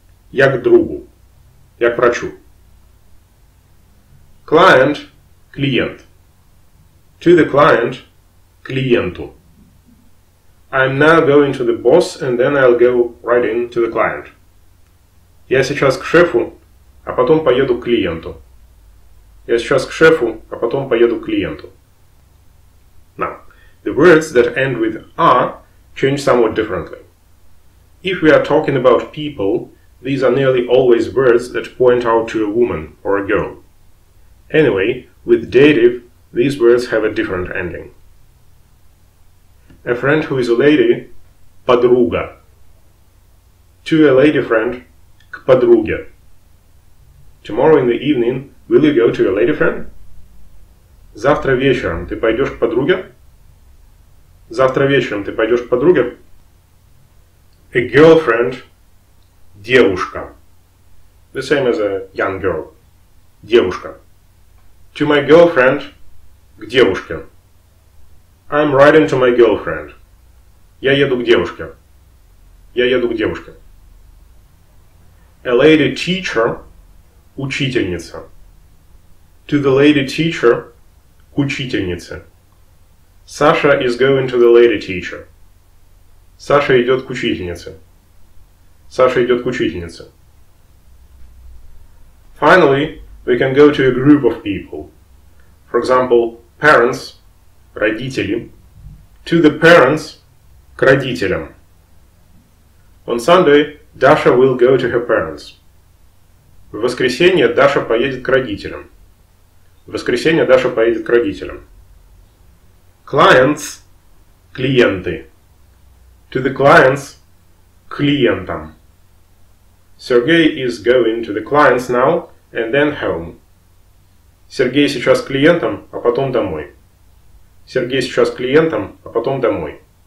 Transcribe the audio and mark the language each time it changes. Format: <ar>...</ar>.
<ru>Я к другу. Я к врачу.</ru> <en>Client,</en> <ru>клиент.</ru> <en>To the client,</en> <ru>клиенту.</ru> <en>I'm now going to the boss and then I'll go right in to the client.</en> <ru>Я сейчас к шефу, а потом поеду к клиенту. Я сейчас к шефу, а потом поеду к клиенту.</ru> <en>Now, the words that end with A change somewhat differently. If we are talking about people, these are nearly always words that point out to a woman or a girl. Anyway, with dative, these words have a different ending. A friend who is a lady,</en> <ru>подруга.</ru> <en>To a lady friend,</en> <ru>к подруге.</ru> <en>Tomorrow in the evening, will you go to your lady friend?</en> <ru>Завтра вечером ты пойдешь к подруге? Завтра вечером ты пойдешь к подруге?</ru> <en>A girlfriend,</en> <ru>девушка.</ru> <en>The same as a young girl.</en> <ru>Девушка.</ru> <en>To my girlfriend,</en> <ru>к девушке.</ru> <en>I'm writing to my girlfriend.</en> <ru>Я еду к девушке. Я еду к девушке.</ru> <en>A lady teacher,</en> <ru>учительница.</ru> <en>To the lady teacher,</en> <ru>к учительнице.</ru> <en>Саша is going to the lady teacher.</en> <ru>Саша идет к учительнице. Саша идет к учительнице.</ru> <en>Finally, we can go to a group of people. For example, parents,</en> <ru>родители.</ru> <en>To the parents,</en> <ru>к родителям.</ru> <en>On Sunday, Dasha will go to her parents.</en> <ru>В воскресенье Даша поедет к родителям. В воскресенье Даша поедет к родителям.</ru> <en>Clients,</en> <ru>клиенты.</ru> <en>To the clients,</en> <ru>клиентам.</ru> <en>Sergey is going to the clients now and then home.</en> <ru>Сергей сейчас клиентам, а потом домой. Сергей сейчас клиентам, а потом домой.</ru>